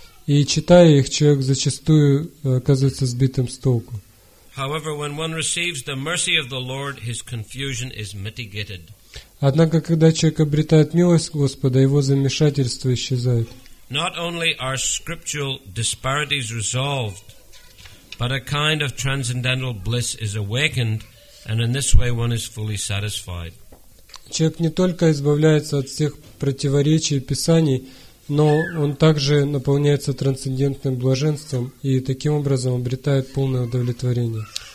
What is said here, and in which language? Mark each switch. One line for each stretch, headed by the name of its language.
Russian: И читая их, человек зачастую оказывается сбитым с толку.
English: However, when one receives the mercy of the Lord, his confusion is mitigated.
Russian: Однако, когда человек обретает милость Господа, его замешательство исчезает.
English: Not only are scriptural disparities resolved, but a kind of transcendental bliss is awakened, and in this way one is fully satisfied.
Russian: Человек не только избавляется от всех противоречий писаний, но он также наполняется трансцендентным блаженством и таким образом обретает полное удовлетворение.